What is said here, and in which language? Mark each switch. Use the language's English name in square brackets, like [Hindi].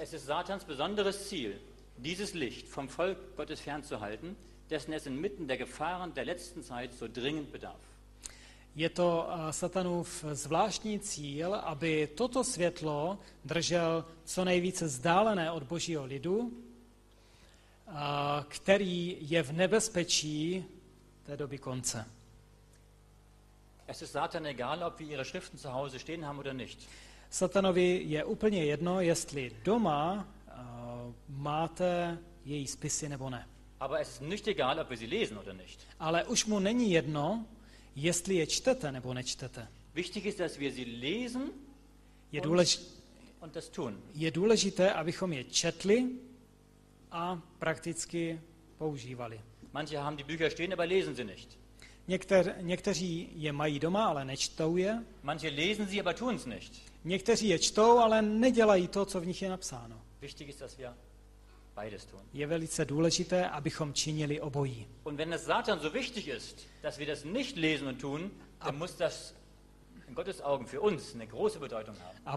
[German] Es ist Satans besonderes Ziel, dieses Licht vom Volk Gottes fernzuhalten, dessen es inmitten der Gefahren der letzten Zeit so dringend bedarf. [Czech] Je to Satanův zvláštní cíl, aby toto světlo držel co nejvíce vzdálené od Božího lidu, který je v nebezpečí té doby konce. [German] Es ist Satan egal, ob wir ihre Schriften zu Hause stehen haben oder nicht. [Czech] Satanovi je úplně jedno, jestli doma máte její spisy nebo ne. [German] Aber es ist nicht egal, ob wir sie lesen oder nicht. [Czech] Ale už mu není jedno, jestli je čtete nebo nečtete. [German] Wichtig ist, dass wir sie lesen und das tun. [Czech] Je důležité, abychom je četli a prakticky používali. [German] Manche haben die Bücher stehen, aber lesen sie nicht. [Czech] Někteří je mají doma, ale nečtou je. [German] Manche lesen sie, aber tun's nicht. [Czech] Někteří je čtou, ale nedělají to, co v nich je napsáno. [German] Wichtig ist, dass wir beides tun. [Czech] Je velice důležité, abychom činili obojí. [German] Und wenn es Satan so wichtig ist, dass wir das nicht lesen und tun, dann muss das in Gottes Augen für uns eine große Bedeutung haben.